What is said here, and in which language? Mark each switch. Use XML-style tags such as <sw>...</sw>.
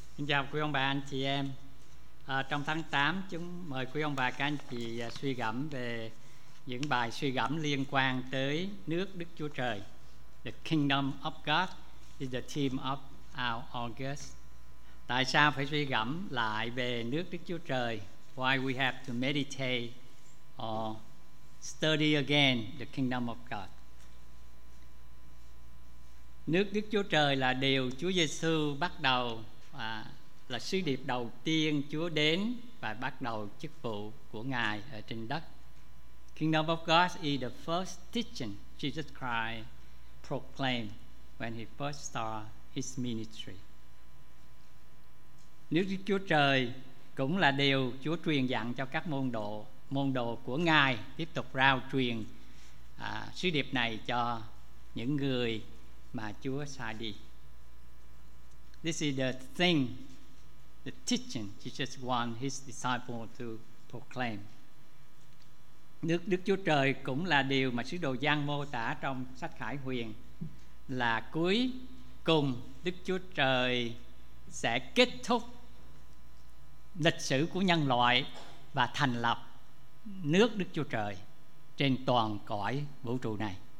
<vi>Xin chào quý ông bà anh chị em. Trong tháng 8, chúng mời quý ông bà các anh chị suy gẫm về những bài suy gẫm liên quan tới nước Đức Chúa Trời.</vi> <en>The Kingdom of God is the theme of our August.</en> <vi>Tại sao phải suy gẫm lại về nước Đức Chúa Trời?</vi> <en>Why we have to meditate or study again the Kingdom of God?</en> <vi>Nước Đức Chúa Trời là điều Chúa Giê-xu bắt đầu, là sứ điệp đầu tiên Chúa đến và bắt đầu chức vụ của Ngài ở trên đất.</vi> <en>Kingdom of God is the first teaching Jesus Christ proclaimed when he first started his ministry.</en> <vi>Nước Đức Chúa Trời cũng là điều Chúa truyền dặn cho các môn đồ của Ngài, tiếp tục rao truyền sứ điệp này cho những người mà Chúa sai đi.</vi> <en>This is the thing, the teaching Jesus want his disciples to proclaim.</en> <vi>Nước Đức Chúa Trời cũng là điều mà sứ đồ Giăng mô tả trong sách Khải Huyền, là cuối cùng Đức Chúa Trời sẽ kết thúc lịch sử của nhân loại và thành lập nước Đức Chúa Trời trên toàn cõi vũ trụ này.</vi>